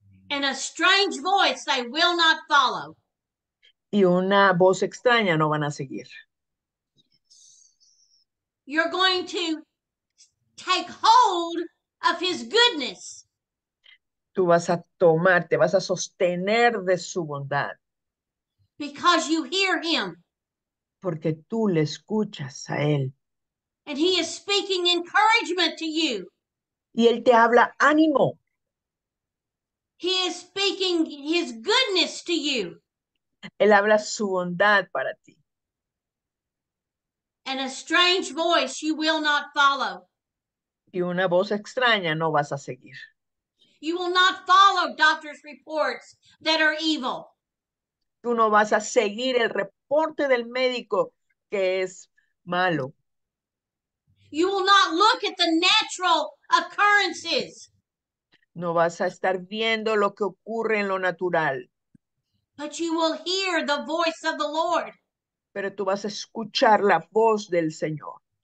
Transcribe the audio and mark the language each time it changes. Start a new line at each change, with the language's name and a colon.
English: And a strange voice they will not follow.
Spanish: Y una voz extraña no van a seguir.
English: You're going to take hold of his goodness.
Spanish: Tú vas a tomar, te vas a sostener de su bondad.
English: Because you hear him.
Spanish: Porque tú le escuchas a él.
English: And he is speaking encouragement to you.
Spanish: Y él te habla ánimo.
English: He is speaking his goodness to you.
Spanish: Él habla su bondad para ti.
English: And a strange voice you will not follow.
Spanish: Y una voz extraña no vas a seguir.
English: You will not follow doctor's reports that are evil.
Spanish: Tú no vas a seguir el reporte del médico que es malo.
English: You will not look at the natural occurrences.
Spanish: No vas a estar viendo lo que ocurre en lo natural.
English: But you will hear the voice of the Lord.
Spanish: Pero tú vas a escuchar la voz del Señor.